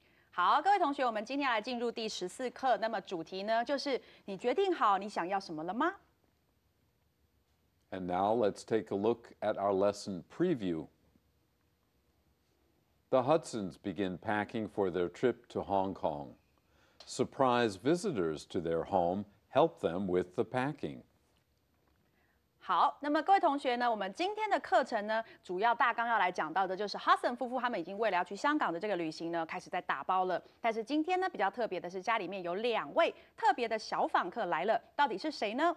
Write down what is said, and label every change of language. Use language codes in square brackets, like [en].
[zh] 好，各位同学，我们今天来进入第十四课。那么主题呢，就是你决定好你想要什么了吗？ [en] And now let's take a look at our lesson preview. The Hudsons begin packing for their trip to Hong Kong. Surprise visitors to their home help them with the packing. [zh] 好，那么各位同学呢，我们今天的课程呢，主要大纲要来讲到的就是 Hudson 夫妇他们已经为了要去香港的这个旅行呢，开始在打包了。但是今天呢，比较特别的是家里面有两位特别的小访客来了，到底是谁呢？